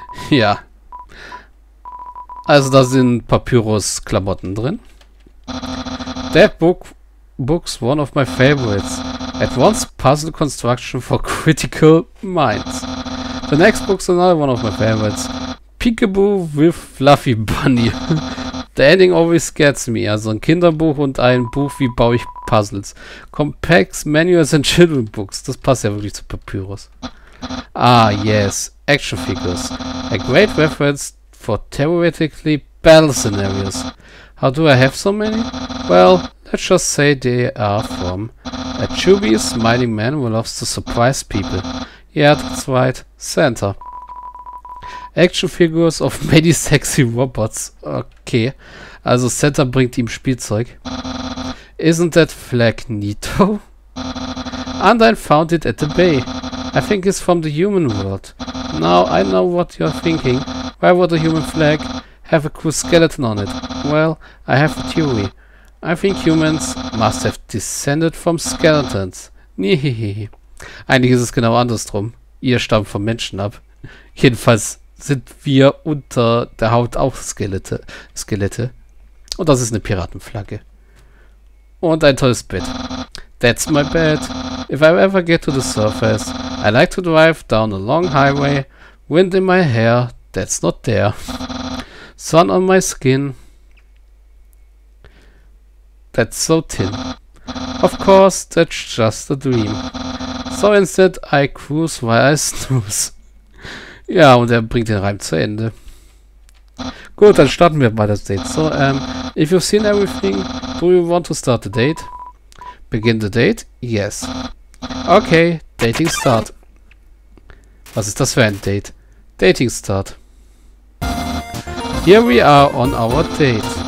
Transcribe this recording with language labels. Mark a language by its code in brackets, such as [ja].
[de] Ja. Also da sind Papyrus-Klamotten drin. [en] That book's one of my favorites. Advanced Puzzle Construction for Critical Minds. The next book's another one of my favorites. Peekaboo with Fluffy Bunny. The ending always gets me. [de] Also ein Kinderbuch und ein Buch, wie baue ich Puzzles. [en] Complex Manuals and Children Books. [de] Das passt ja wirklich zu Papyrus. [en] Ah, yes. Action Figures. A great reference for theoretically battle scenarios. How do I have so many? Well, let's just say they are from a chubby, smiling man who loves to surprise people. Yeah, that's right. Santa. Action Figures of many sexy robots. Okay. [de] Also Santa bringt ihm Spielzeug. [en] Isn't that flag neato? And I found it at the bay. I think it's from the human world. Now I know what you're thinking. Why would a human flag have a cool skeleton on it? Well, I have a theory. I think humans must have descended from skeletons. [de] Nihihihi. Eigentlich ist es genau andersrum. Ihr stammt vom Menschen ab. Jedenfalls sind wir unter der Haut auch Skelette. Und das ist eine Piratenflagge. Und ein tolles Bett. [en] That's my bed. If I ever get to the surface, I like to drive down a long highway. Wind in my hair. That's not there. Sun on my skin. That's so thin. Of course, that's just a dream. So instead, I cruise while I snooze. [de] Ja, und er bringt den Reim zu Ende. Gut, dann starten wir mal das Date. [en] So, if you've seen everything, do you want to start the date? Begin the date? Yes. Okay, dating start. [de] Was ist das für ein Date? [en] Dating start. Here we are on our date.